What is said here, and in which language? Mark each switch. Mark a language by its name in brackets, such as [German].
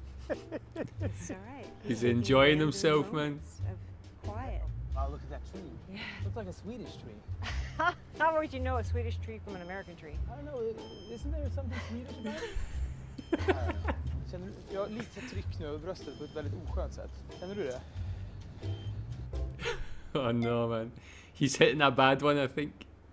[English] It's alright. He's enjoying himself, man. Of quiet. Oh, look at that tree. Yeah. Looks like a Swedish tree. How would you know a Swedish tree from an American tree? I don't know. Isn't there something Swedish about it? [Swedish] Känner du, jag har lite tryck nu över bröstet på ett väldigt oskönt sätt. Känner du det? [English] Oh no, man. He's hitting a bad one, I think.